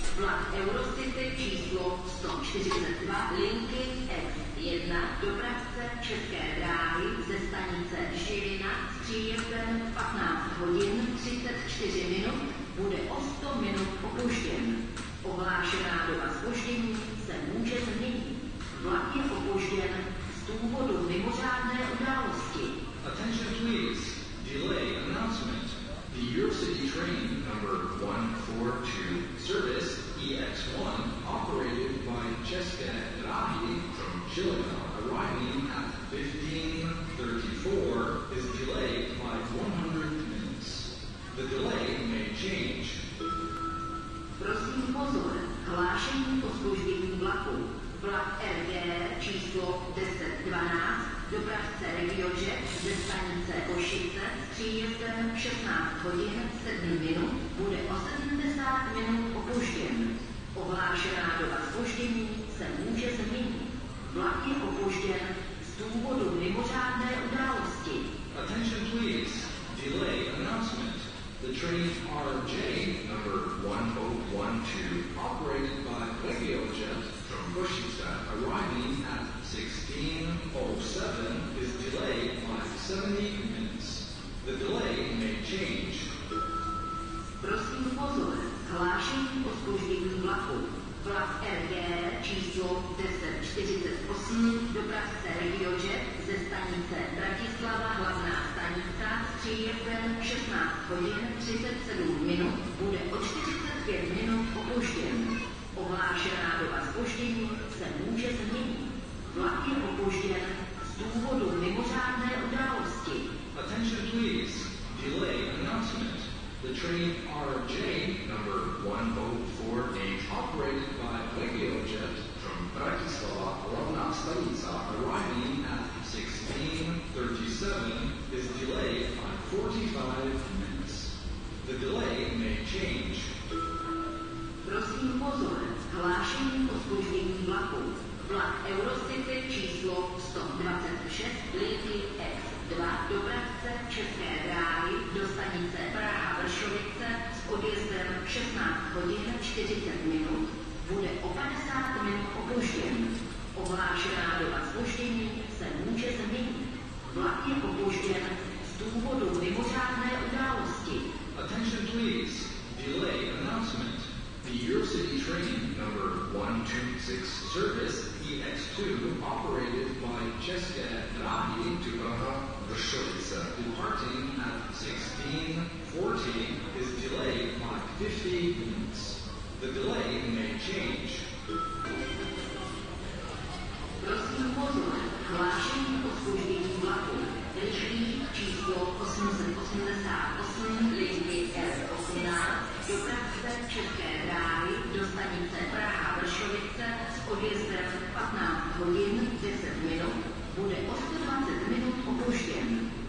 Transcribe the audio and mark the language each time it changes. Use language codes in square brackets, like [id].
[cs] Vlak Eurocity číslo 142 linky F1 dopravce České dráhy ze stanice Žilina s příjezdem 15:34 bude o 100 minut opožděn. Ohlášená doba zpoždění se může změnit. Vlak je opožděn z důvodu mimořádné události. [en] Attention please. Delay announcement. The EuroCity train number 142 service EX1 operated by České dráhy from Chilica arriving at 15:34 is delayed by 100 minutes. The delay may change. [cs] Prosím pozor, hlášení o zpoždění vlaku. Vlak RG číslo 1012 dopravce Regiojet ze stanice Košice s příjezdem 16:07 bude o 70 minut opožděn. Ohlášená doba zpoždění se může změnit. Vlak je opožděn z důvodu mimořádné události. [en] Attention please. Delay announcement. The train RJ number 1012 operated by Regiojet from Košice arriving at 16:07 is delayed by 70 minutes. The delay may change. [cs] Prosím pozor, hlášení o zpoždění vlaku. Vlak RG číslo 1048 dopravce Regiojet ze stanice Bratislava hlavná stanice s příjezdem 16:37 bude o 45 minut opožděn. Ohlášená doba zpoždění se může změnit. Vlak je opožděn z důvodu mimořádné události. [en] Attention please. Delay announcement. The train RJ number 1048 operated by Regiojet from Bratislava Hlavná Stanica arriving at 16:37 is delayed by 45 minutes. The delay may change. [cs] Prosím pozor, hlášení o zpoždění vlaku. Vlak Eurocity číslo 126 linky F2 dopravce České dráhy do stanice Praha Vršovice s odjezdem 16:40 bude o 50 minut opožděn. Ohlášená doba zpoždění se může změnit. Vlak je opožděn z důvodu mimořádné události. [en] Attention please. Delay announcement. The EuroCity train number 126 service EX2 operated by České dráhy to Praha Vršovice departing at 16:14 is delayed by 50 minutes. The delay may change. [cs] Prosím pozor, hlášení o zpoždění vlaku. Rychlí číslo 888 linky F18 dopravce České dráhy do stanice Praha Vršovice s odjezdem 15:10 bude o 120 minut opožděn.